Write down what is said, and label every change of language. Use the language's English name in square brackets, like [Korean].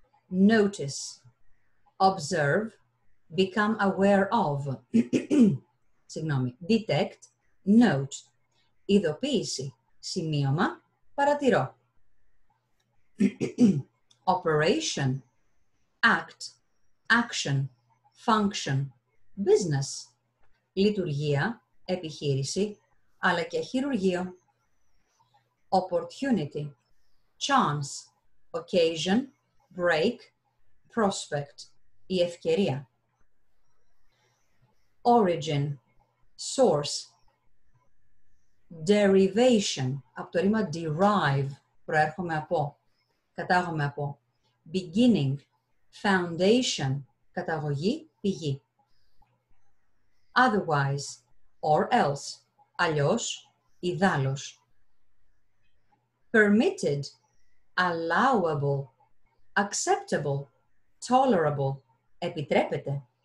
[English] Notice, observe, become aware of, [Greek] συγγνώμη, [English] detect, note, [Greek] ειδοποίηση, σημείωμα, παρατηρώ. [English] Operation, act, action, function, business, [Greek] λειτουργία, επιχείρηση, αλλά και χειρουργείο. [English] Opportunity, chance, occasion, break, prospect, [Greek] η ευκαιρία. [English] Origin, source, derivation, [Greek] από το ρήμα derive, προέρχομαι από, κατάγομαι από. [English] Beginning, foundation, [Greek] καταγωγή, πηγή. [English] Otherwise, or else, [Greek] αλλιώς, ιδάλλως. [English] Permitted, allowable, acceptable, tolerable, [Greek] επιτρέπεται.